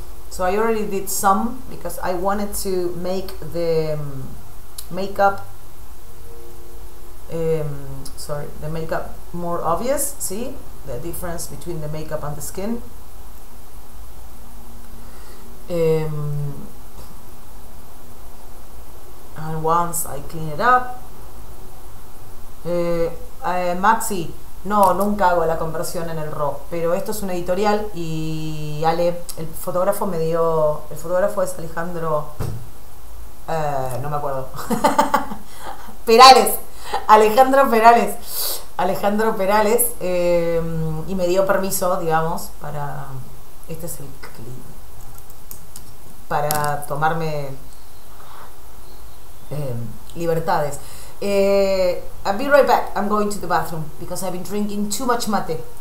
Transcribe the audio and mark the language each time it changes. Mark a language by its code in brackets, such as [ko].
[en] So I already did some because I wanted to make the makeup sorry, the makeup more obvious, see? The difference between the makeup and the skin. And once I clean it up, [es] Maxi, no, nunca hago la conversión en el RAW, pero esto es una editorial y Ale, el fotógrafo me dio, el fotógrafo es Alejandro, no me acuerdo, Perales, Alejandro Perales, Alejandro Perales, y me dio permiso, digamos, para, este es el clip, para tomarme libertades. [en] I'll be right back. I'm going to the bathroom because I've been drinking too much mate.